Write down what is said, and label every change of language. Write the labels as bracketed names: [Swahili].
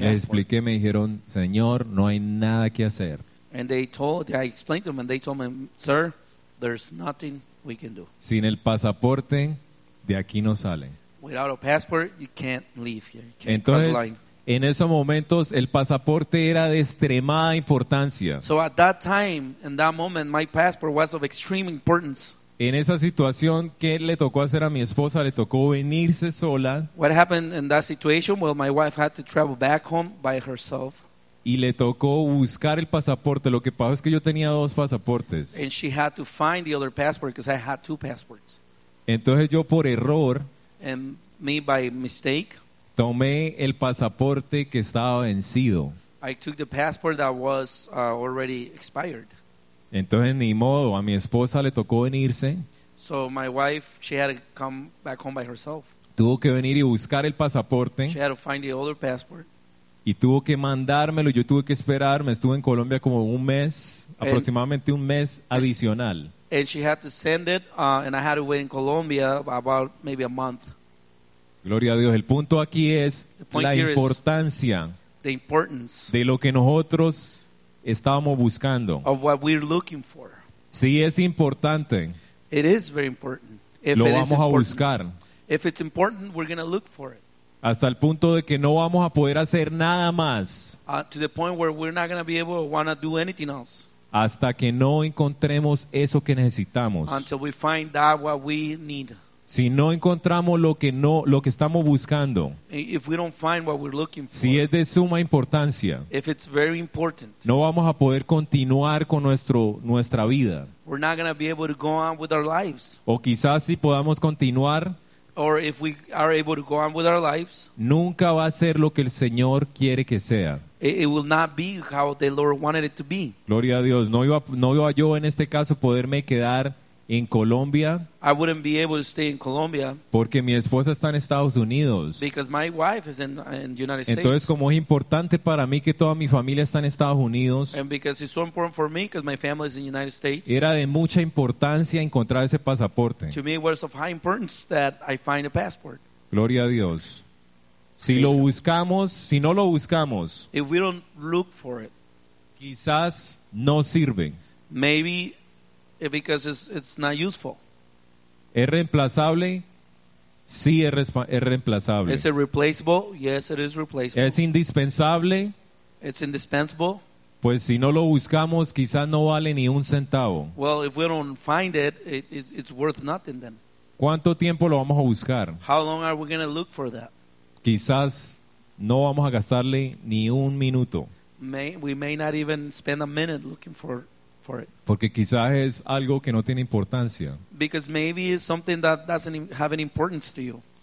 [Spanish] Les expliqué, me dijeron, señor, no hay nada que hacer. [English] And I explained to them, and they told me, sir, there's nothing we can do. [Spanish] Sin el pasaporte, de aquí no sale. [English] Without a passport, you can't leave here. You can't. [Spanish] Entonces, [English] cross the line. [Spanish] En esos momentos, el pasaporte era de extremada importancia. [English] So at that time, in that moment, my passport was of extreme importance. [Spanish] En esa situación, ¿qué le tocó hacer a mi esposa? Le tocó venirse sola. [English] What happened in that situation? Well, my wife had to travel back home by herself. [Spanish] Y le tocó buscar el pasaporte. Lo que pasó es que yo tenía dos pasaportes. [English] And she had to find the other passport because I had two passports. [Spanish] Entonces yo por error, [English] and me by mistake, [Spanish] tomé el pasaporte que estaba vencido. [English] I took the passport that was already expired. [Spanish] Entonces ni modo, a mi esposa le tocó venirse. [English] So my wife, she had to come back home by herself. [Spanish] Tuvo que venir y buscar el pasaporte. [English] She had to find the other passport. [Spanish] Y tuvo que mandármelo, yo tuve que esperar, me estuve en Colombia como un mes, aproximadamente un mes adicional. [English] And she had to send it, and I had to wait in Colombia about maybe a month. [Spanish] Gloria a Dios, el punto aquí es la importancia [English] the importance [Spanish] de lo que nosotros estábamos buscando. [English] Of what we're looking for. [Spanish] Si es importante, [English] it is very important. If [Spanish] lo [English] it [Spanish] vamos [English] is important, [Spanish] a buscar. [English] If it's important, we're going to look for it. [Spanish] Hasta el punto de que no vamos a poder hacer nada más. [English] To the point where we're not going to be able to want to do anything else. [Spanish] Hasta que no encontremos eso que necesitamos. [English] Until we find that what we need. [Spanish] Si no encontramos lo que estamos buscando, [English] if we don't find what we're looking for, [Spanish] si es de suma importancia, [English] if it's very important, [Spanish] no vamos a poder continuar con nuestra vida. [English] We're not going to be able to go on with our lives. [Spanish] O quizás si podamos continuar, [English] or if we are able to go on with our lives, [Spanish] nunca va a ser lo que el Señor quiere que sea. [English] It will not be how the Lord wanted it to be. [Spanish] Gloria a Dios. No iba yo en este caso poderme quedar en Colombia. [English] I wouldn't be able to stay in Colombia. [Spanish] Porque mi esposa está en Estados Unidos. [English] Because my wife is in the United States. [Spanish] Entonces, como es importante para mí que toda mi familia está en Estados Unidos. [English] And because it's so important for me because my family is in the United States. [Spanish] Era de mucha importancia encontrar ese pasaporte. [English] To me it was of high importance that I find a passport. [Spanish] Gloria a Dios. Si lo buscamos, si no lo buscamos, [English] if we don't look for it, [Spanish] quizás no sirve. [English] Maybe because it's not useful. [Spanish] ¿Es reemplazable? Sí, es reemplazable. [English] Is it replaceable? Yes, it is replaceable. [Spanish] ¿Es indispensable? [English] It's indispensable. [Spanish] Pues si no lo buscamos, quizás no vale ni un centavo. [English] Well, if we don't find it, it's worth nothing then. [Spanish] ¿Cuánto tiempo lo vamos a buscar? [English] How long are we going to look for that? [Spanish] Quizás no vamos a gastarle ni un minuto. [English] We may not even spend a minute looking for it. [Spanish] Porque quizás es algo que no tiene importancia. [English] Because maybe it's something that doesn't have any importance to you.